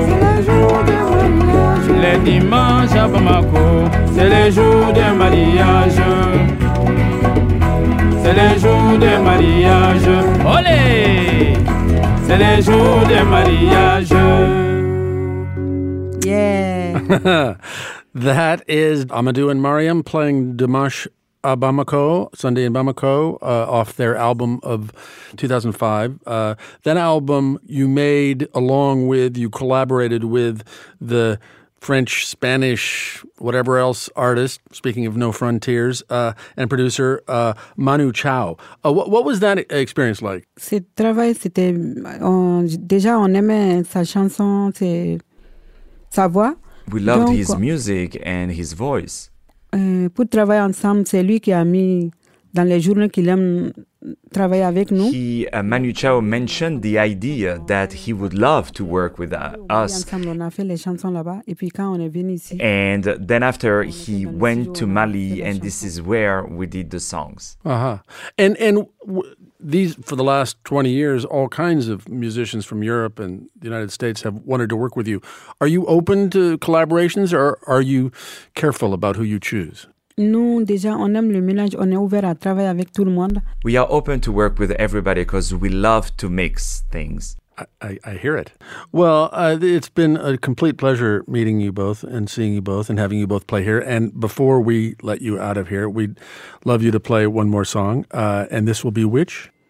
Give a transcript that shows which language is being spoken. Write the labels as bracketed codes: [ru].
[fr] C'est les jours de mariage. Les dimanches à Bamako. C'est les jours de mariage. C'est les jours de mariage. Olé! C'est les jours de mariage. [en] Yeah. That is Amadou and Mariam playing Dimanche à Bamako, Sunday in Bamako, off their album of 2005. That album you made along with, you collaborated with the French, Spanish, whatever else artist, speaking of No Frontiers, and producer Manu Chao. What was that experience like? [fr] Ce travail, c'était déjà on aimait sa chanson, sa voix. [en] We loved donc, his music and his voice. [fr] Pour travailler ensemble, c'est lui qui a mis dans les journaux qu'il aime travailler avec nous. [en] Manu Chao mentioned the idea that he would love to work with us. [fr] Ensemble, on a fait les chansons là-bas. Et puis quand on est venu ici. [en] And then after he went to Mali, and this is where we did the songs. Uh-huh. These, for the last 20 years, all kinds of musicians from Europe and the United States have wanted to work with you. Are you open to collaborations or are you careful about who you choose? [fr] Nous, déjà, on aime le mélange. On est ouvert à travailler avec tout le monde. [en] We are open to work with everybody because we love to mix things. I hear it. Well, it's been a complete pleasure meeting you both and seeing you both and having you both play here. And before we let you out of here, we'd love you to play one more song. And this will be which?